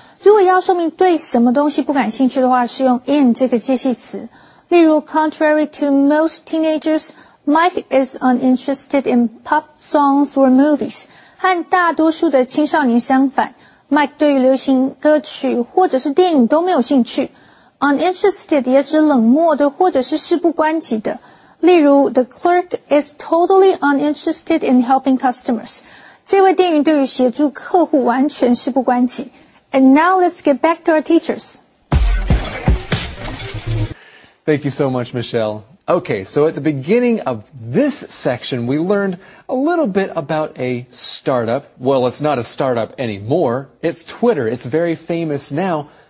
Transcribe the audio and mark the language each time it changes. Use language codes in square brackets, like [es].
[zh] 如果要说明对什么东西不感兴趣的话，是用 in 这个介系词。例如 [en] ,contrary to most teenagers,Mike is uninterested in pop songs or movies. [zh] 和大多数的青少年相反， Mike 对于流行歌曲或者是电影都没有兴趣。 Uninterested 也指冷漠的或者是事不关己的。例如 [en] ,the clerk is totally uninterested in helping customers. [zh] 这位店员对于协助客户完全事不关己。 [en] And now let's get back to our teachers. Thank you so much, Michelle. Okay, so at the beginning of this section, we learned a little bit about a startup. Well, it's not a startup anymore. It's Twitter. It's very famous now.